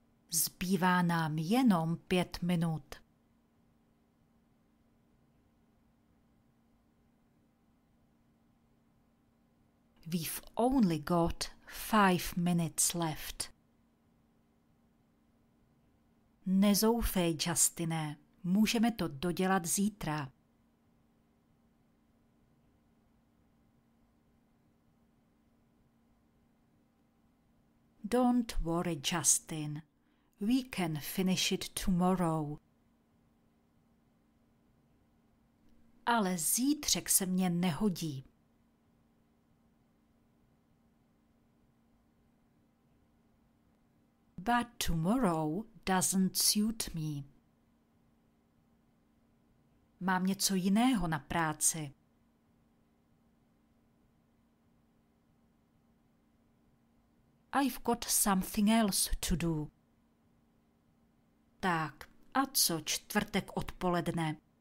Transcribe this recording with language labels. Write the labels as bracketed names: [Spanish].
[Czech] Zbývá nám jenom 5 minut. [English] We've only got 5 minutes left. [Czech] Nezoufej, Justine, můžeme to dodělat zítra. [English] Don't worry, Justin. We can finish it tomorrow. [Czech] Ale zítřek se mně nehodí. [English] But tomorrow doesn't suit me. [Czech] Mám něco jiného na práci. [English] I've got something else to do. [Czech] Tak, a co čtvrtek odpoledne?